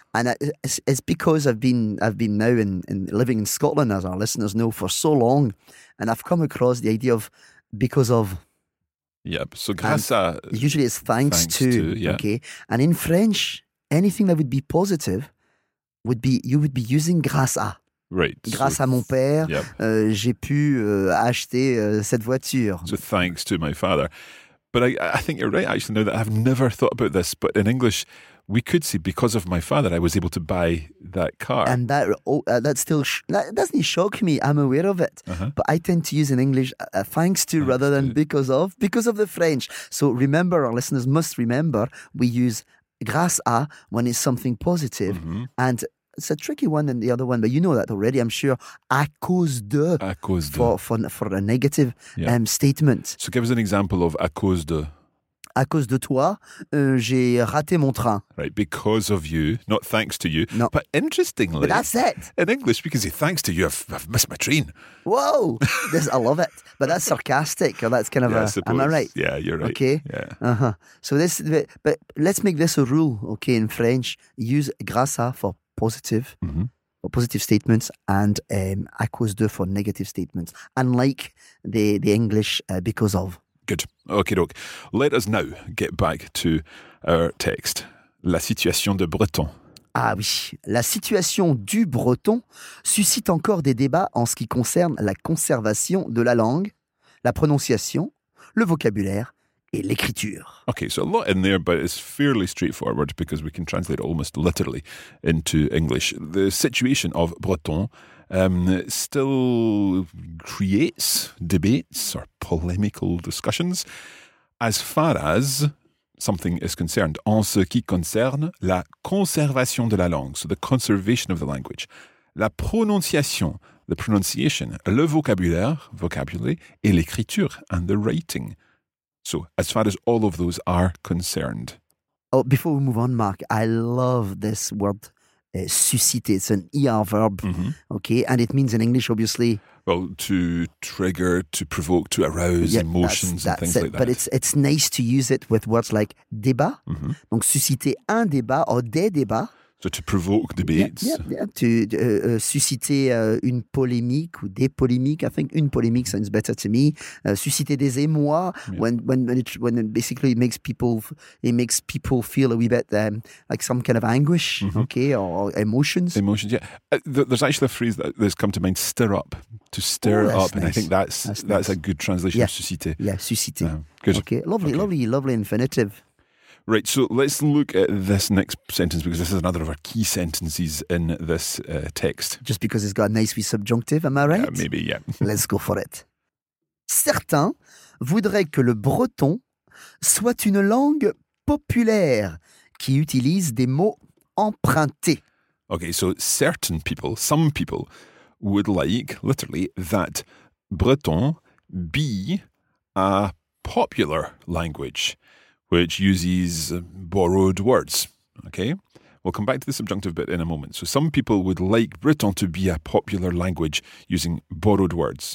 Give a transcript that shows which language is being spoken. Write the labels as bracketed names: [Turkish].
[English] And it's because I've been now in living in Scotland, as our listeners know, for so long, and I've come across the idea of because of. Yeah, so [French] grâce à. [English] Usually it's thanks to, yeah. Okay. And in French, anything that would be positive would be using grâce à. Right. [French] Grâce à mon père, [English] yep. [French] J'ai pu acheter cette voiture. [English] So thanks to my father. But I think you're right, actually, now that I've never thought about this, but in English, we could say, because of my father, I was able to buy that car. And that that doesn't shock me. I'm aware of it. Uh-huh. But I tend to use in English thanks to rather than because of the French. So remember, our listeners must remember, we use grâce à when it's something positive. Mm-hmm. And it's a tricky one than the other one, but you know that already, I'm sure. [French] À cause de. [English] For a negative statement. So give us an example of [French] à cause de. À cause de toi, j'ai raté mon train. [English] Right, because of you, not thanks to you. No. But interestingly... But that's it. In English, we can say, thanks to you, I've missed my train. Whoa, this, I love it. But that's sarcastic, or that's kind of yeah, a... Am I right? Yeah, you're right. Okay. Yeah. Uh-huh. So this... But let's make this a rule, okay, in French. Use grâce à for... positive, mm-hmm. or positive statements, and à cause de for negative statements, unlike the English because of. Good. Okay, doc. Let us now get back to our text. [French] La situation de Breton. Ah oui, la situation du Breton suscite encore des débats en ce qui concerne la conservation de la langue, la prononciation, le vocabulaire. Et l'écriture. [English] Okay, so a lot in there, but it's fairly straightforward because we can translate almost literally into English. The situation of Breton still creates debates or polemical discussions as far as something is concerned. [French] En ce qui concerne la conservation de la langue, [English] so the conservation of the language, [French] la prononciation, [English] the pronunciation, [French] le vocabulary, et l'écriture, [English] and the writing. So, as far as all of those are concerned. Oh, before we move on, Marc, I love this word, susciter. It's an ER verb, mm-hmm. okay? And it means in English, obviously... Well, to trigger, to provoke, to arouse emotions and things like that. But it's nice to use it with words like débat. Mm-hmm. [French] Donc, susciter un débat or des débats. [English] So, to provoke debates. Yeah. [French] To susciter une polémique ou des polémiques. [English] I think [French] une polémique [English] sounds better to me. [French] Susciter des émois, [English] when it basically makes people feel a wee bit like some kind of anguish, mm-hmm. okay, or emotions. Emotions, yeah. There's actually a phrase that's come to mind, stir up, to stir up. And I think that's nice. A good translation of susciter. Yeah, susciter. Good. Okay, lovely infinitive. Right, so let's look at this next sentence, because this is another of our key sentences in this text. Just because it's got a nice wee subjunctive, am I right? Maybe, yeah. Let's go for it. [French] Certains voudrait que le breton soit une langue populaire qui utilise des mots empruntés. [English] Okay, so certain people, some people, would like, literally, that breton be a popular language which uses borrowed words. Okay, we'll come back to the subjunctive bit in a moment. So some people would like breton to be a popular language using borrowed words.